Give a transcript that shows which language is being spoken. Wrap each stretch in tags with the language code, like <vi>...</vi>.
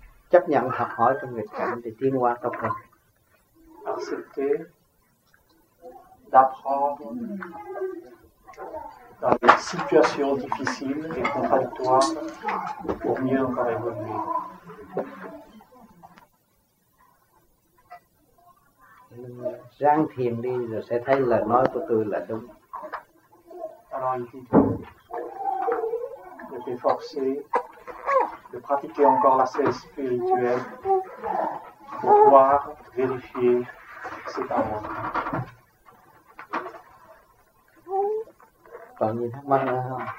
<vi>Chấp nhận học hỏi trong nghịch cảnh để tiến qua tốt hơn.</vi> <fr>Accepter d'apprendre dans les situations difficiles et contradictoires pour mieux encore évoluer.</fr> <vi>Ráng thiền đi rồi sẽ thấy lời nói của tôi là đúng.</vi> <fr>Je vais forcer de pratiquer encore la sagesse spirituelle pour pouvoir vérifier ces paroles. Bon, il y a pas mal là.</fr>